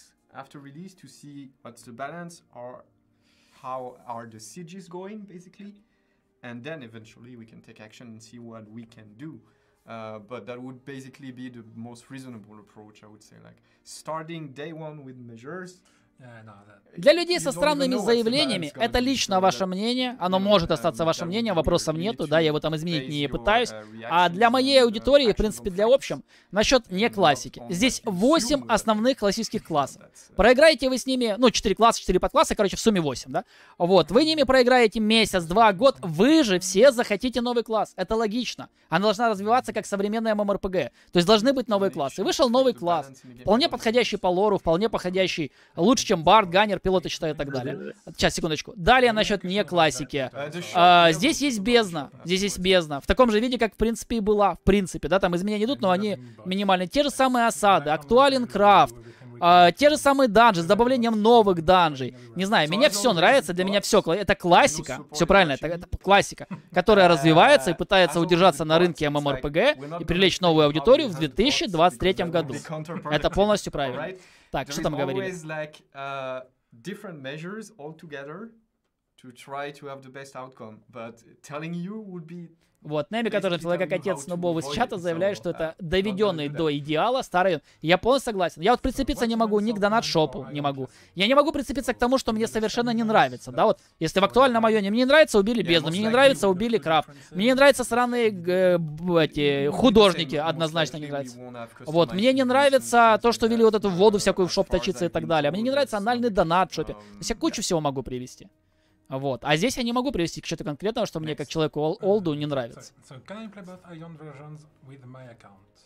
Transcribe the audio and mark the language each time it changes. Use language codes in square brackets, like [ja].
[en] After release to see what's the balance or how are the sieges going basically, and then eventually we can take action and see what we can do. But that would basically be the most reasonable approach, I would say, like starting day one with measures. [ru] Для людей со странными заявлениями, это лично ваше мнение, оно может остаться вашим мнением, вопросов нету, да, я его там изменить не пытаюсь. А для моей аудитории, в принципе, для общем, насчет не классики. Здесь 8 основных классических классов. Проиграете вы с ними, ну, 4 класса, 4 подкласса, короче, в сумме 8, да? Вот, вы ними проиграете месяц, 2, год, вы же все захотите новый класс. Это логично. Она должна развиваться как современная MMORPG. То есть должны быть новые классы. Вышел новый класс, вполне подходящий по лору, вполне подходящий, лучше, чем бард, ганнер, пилот, я считаю, и так далее. Сейчас, секундочку. Далее насчет не классики. Здесь есть бездна. Здесь есть бездна. В таком же виде, как в принципе и была. В принципе, да, там изменения идут, но они минимальны. Те же самые осады, актуален крафт, те же самые данжи с добавлением новых данжей. Не знаю, мне все нравится, для меня все. Это классика. Все правильно, это классика, которая развивается и пытается удержаться на рынке MMORPG и привлечь новую аудиторию в 2023 году. Это полностью правильно. Так, что там говорили? [en] There is always like different measures all together to try to have the best outcome, but telling you would be... [ru] Вот, Неми, который человек как отец Снобов из чата, заявляет, что это доведенный до идеала старый. Я полностью согласен. Я вот прицепиться не могу ни к донат-шопу, не могу. Я не могу прицепиться к тому, что мне совершенно не нравится. Да, вот, если в актуальном айоне мне не нравится, убили бездну. Мне не нравится, убили крафт. Мне не нравятся сраные эти художники, однозначно не нравятся. Вот, мне не нравится то, что ввели вот эту воду всякую в шоп точиться и так далее. Мне не нравится анальный донат в шопе. То есть я кучу всего могу привести. Вот. А здесь я не могу привести к чему-то конкретному, что мне как человеку олду не нравится. [en] So, can you play both Ion versions with my account?